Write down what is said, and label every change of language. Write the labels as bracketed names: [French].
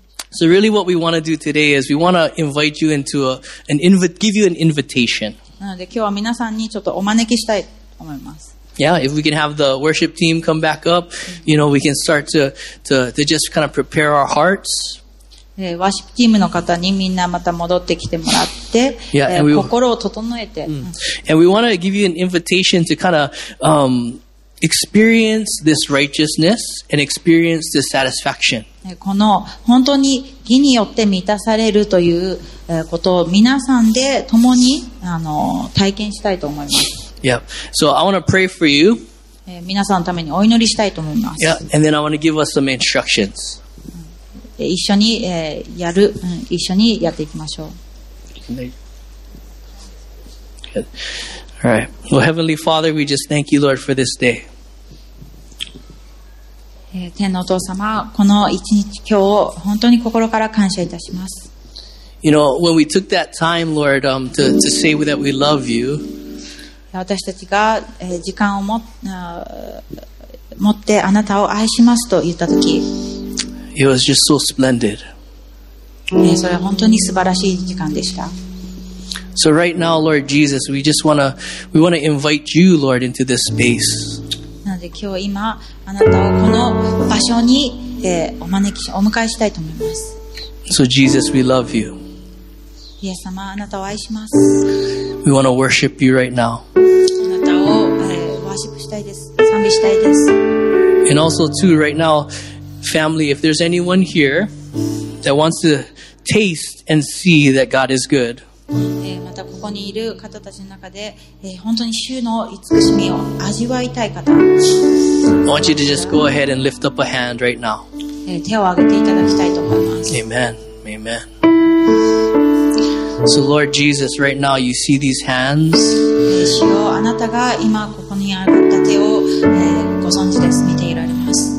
[English] So really what we want to do today is we want to invite you into give you an invitation. [Japanese] なので今日は皆さんにちょっとお招きしたいと思います。 [English] Yeah, if we can have the worship team come back up, you know, we can start to just kind of prepare our hearts. [Japanese] ワーシップチームの方にみんなまた戻ってきてもらって、心を整えて。 [English] And we want to give you an invitation to kind of, experience this righteousness and experience this satisfaction. [Japanese] この本当に義によって満たされるということを皆さんで共に体験したいと思います。 [English] Yeah. So I want to pray for you. [Japanese] 皆さんのためにお祈りしたいと思います。 [English] Yeah. And then I want to give us some instructions. [Japanese] 一緒に、やる、一緒にやっていきましょう。 [English] All right. Well, Heavenly Father, we just thank you, Lord, for this day. [Japanese] 天のお父様、この一日、今日を本当に心から感謝いたします。 [English] You know, when we took that time, Lord, to say that we love you, [Japanese] 私たちが時間を持ってあなたを愛しますと言ったとき、 [English] It was just so splendid. [Japanese] それは本当に素晴らしい時間でした。 [English] So right now, Lord Jesus, we want to invite you, Lord, into this space. [Japanese] なので今日今あなたをこの場所に、お迎えしたいと思います。 [English] So Jesus, we love you. [Japanese] イエス様、あなたを愛します。 [English] We want to worship you right now. [Japanese] あなたを、ワーシップしたいです。賛美したいです。 [English] And also too, right now, family, if there's anyone here that wants to taste and see that God is good. [Japanese] またここにいる方たちの中で、本当に主の慈しみを味わいたい方。 [English] I want you to just go ahead and lift up a hand right now. [Japanese] 手を挙げていただきたいと思います。 [English] Amen. Amen. So Lord Jesus, right now you see these hands. [Japanese] 主よ、あなたが今ここに挙げた手を、ご存知です。見ていられます。